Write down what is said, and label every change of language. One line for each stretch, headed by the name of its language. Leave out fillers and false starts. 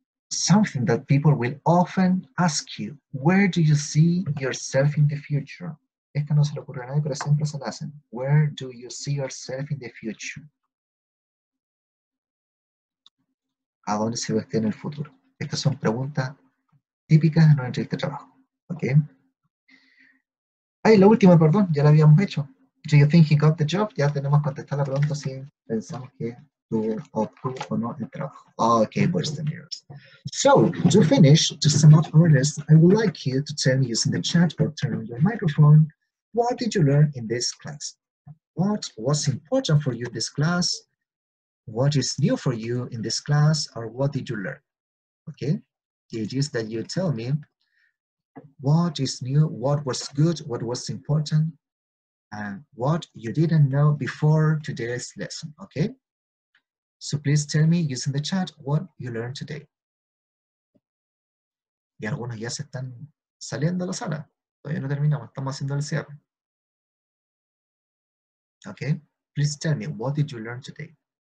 English: Something that people will often ask you, where do you see yourself in the future?
Spanish: Esta no se le ocurre a nadie, pero siempre se la hacen.
English: Where do you see yourself in the future?
Spanish: ¿A dónde se ve usted en el futuro? Estas son preguntas típicas en una entrevista de trabajo. Okay. Ay, la última, perdón, ya la habíamos hecho.
English: Do you think he got the job?
Spanish: Ya tenemos que contestar la pregunta si pensamos que obtuvo o no el trabajo.
English: Okay, boys and girls. So, to finish, to sum up our list, I would like you to tell me using the chat or turn on your microphone, what did you learn in this class? What was important for you in this class? What is new for you in this class? Or what did you learn? Okay, it is that you tell me what is new, what was good, what was important, and what you didn't know before today's lesson, okay? So please tell me using the chat what you learned today.
Spanish: Y algunos ya se están saliendo de la sala. Todavía no terminamos, estamos haciendo el cierre.
English: Okay, please tell me what did you learn today?